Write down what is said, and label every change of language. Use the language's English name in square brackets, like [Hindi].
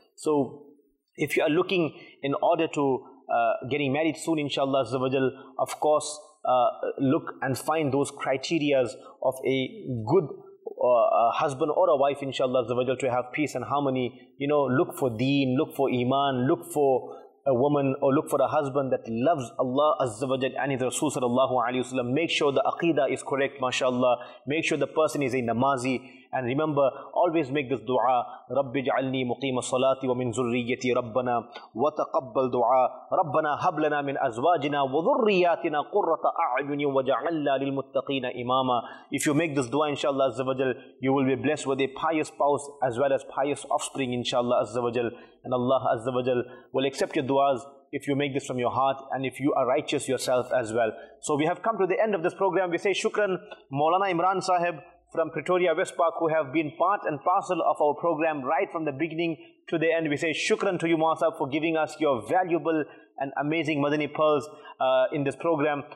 [English] So, if you are looking in order to getting married soon, inshallah, Zawajal, of course, look and find those criterias of a good a husband or a wife, inshallah, Zawajal, to have peace and harmony. You know, look for deen, look for iman, look for a woman, or look for a husband that loves Allah Azza wa Jal and His Rasul sallallahu alayhi wa sallam. Make sure the aqidah is correct, mashallah. Make sure the person is a namazi. [Arabic] And remember, always make this dua, رَبِّ جَعَلْنِي مُقِيمَ صَلَاتِ وَمِنْ زُرِّيَّتِي رَبَّنَا وَتَقَبَّلْ دُعَا رَبَّنَا هَبْ لَنَا مِنْ أَزْوَاجِنَا وَذُرِّيَّاتِنَا قُرَّةَ أَعْيُنٍ وَجَعَلْنَا لِلْمُتَّقِينَ إِمَامًا. [English] If you make this dua, inshallah, Azza wa Jal, you will be blessed with a pious spouse as well as pious offspring, inshallah, Azza wa Jal. And Allah Azza wa Jal will accept your duas if you make this from your heart and if you are righteous yourself as well. So we have come to the end of this program. We say shukran, Maulana Imran Sahib from Pretoria West Park, who have been part and parcel of our program right from the beginning to the end. We say shukran to you, Maulana Sahib, for giving us your valuable and amazing Madani pearls in this program.